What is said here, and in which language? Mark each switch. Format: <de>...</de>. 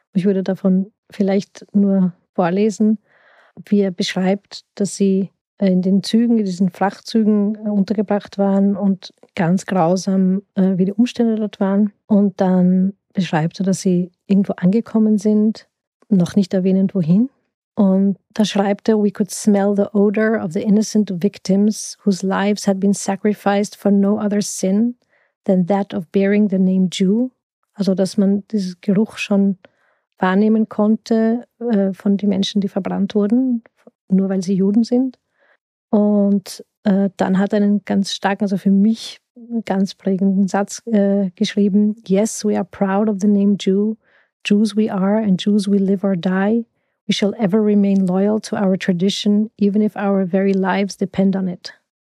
<de>Ich würde davon vielleicht nur vorlesen, wie er beschreibt, dass sie in den Zügen, in diesen Frachtzügen untergebracht waren und ganz grausam, wie die Umstände dort waren. Und dann beschreibt er, dass sie irgendwo angekommen sind, noch nicht erwähnend wohin. Und da schreibt er,</de> <en>we could smell the odor of the innocent victims whose lives had been sacrificed for no other sin than that of bearing the name Jew.</en> <de>Also, dass man diesen Geruch schon wahrnehmen konnte von den Menschen, die verbrannt wurden, nur weil sie Juden sind. Und dann hat er einen ganz starken, also für mich ganz prägenden Satz geschrieben.</de> <en>Yes, we are proud of the name Jew. Jews we are and Jews we live or die. We shall ever remain loyal to our tradition, even if our very lives depend on it.</en>